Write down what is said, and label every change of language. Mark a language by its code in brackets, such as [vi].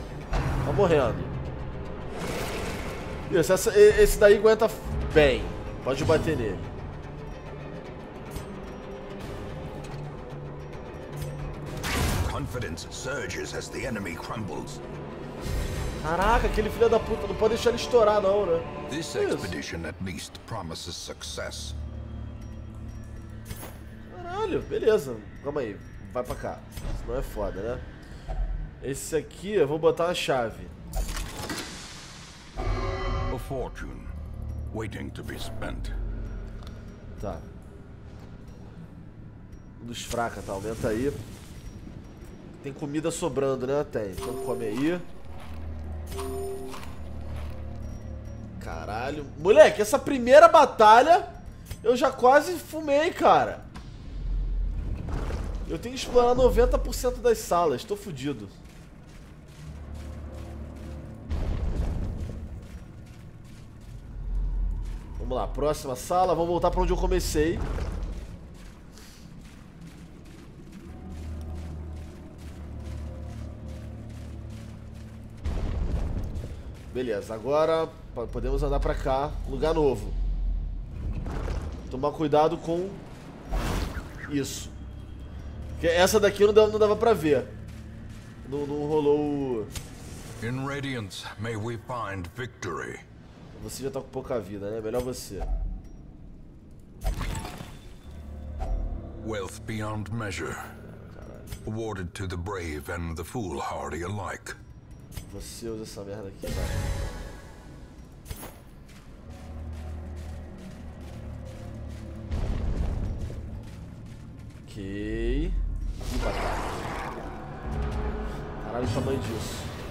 [pt] Tá morrendo. Isso, esse daí aguenta bem. Pode bater nele. [en] Confidence surges as the enemy crumbles. [pt] Caraca, aquele filho da puta, não pode deixar ele estourar não, né? [en] This expedition at least promises success. [pt] Caralho, beleza. Calma aí, vai pra cá. Senão é foda, né? Esse aqui eu vou botar a chave. [en] A fortune waiting to be spent. [pt] Tá. Luz fraca, tá? Aumenta aí. Tem comida sobrando, né? Tem. Vamos comer aí. Caralho. Moleque, essa primeira batalha eu já quase fumei, cara. Eu tenho que explorar 90% das salas. Tô fudido. Vamos lá, próxima sala. Vamos voltar pra onde eu comecei. Beleza, agora podemos andar pra cá, lugar novo. Tomar cuidado com isso. Porque essa daqui não dava pra ver. Não rolou o... [en] In Radiance, may we find victory. [pt] Você já tá com pouca vida, né? Melhor você. [en] Wealth beyond measure. [pt] Caralho. [en] Awarded to the brave and the foolhardy alike. [pt] Você usa essa merda aqui, cara. Ok. Eita, caralho, o tamanho disso.